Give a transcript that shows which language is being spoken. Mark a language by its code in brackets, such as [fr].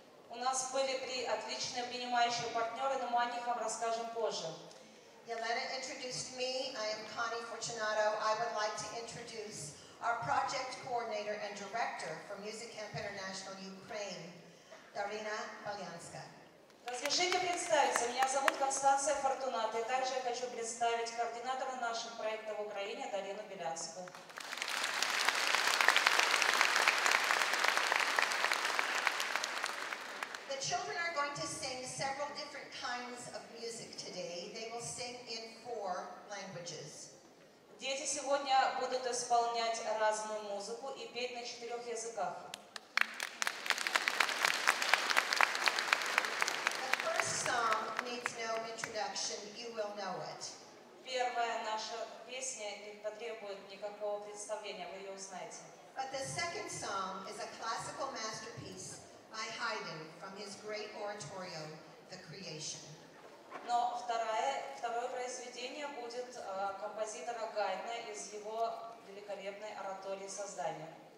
[ru] У нас были три отличные принимающие партнеры, но мы о них вам расскажем позже. [en] Елена introduced me. I am Connie Fortunato. I would like to introduce our project coordinator and director for Music Camp International Ukraine, Дарина Балянска. [ru] Разрешите представиться. Меня зовут Констанция Фортунато. И также я хочу представить координатора наших проектов в Украине Дарину Белянску. [en] Children are going to sing several different kinds of music today. They will sing in four languages. [ru] Дети сегодня будут исполнять разную музыку и петь на четырех языках. [en] The first song needs no introduction. You will know it. [ru] Первая наша песня не потребует никакого представления. Вы ее узнаете. [en] But the second song is a classical masterpiece. By Haydn from his great oratorio, The Creation. [ru] Но второе произведение будет композитора Гайдна из его великолепной оратории Создание.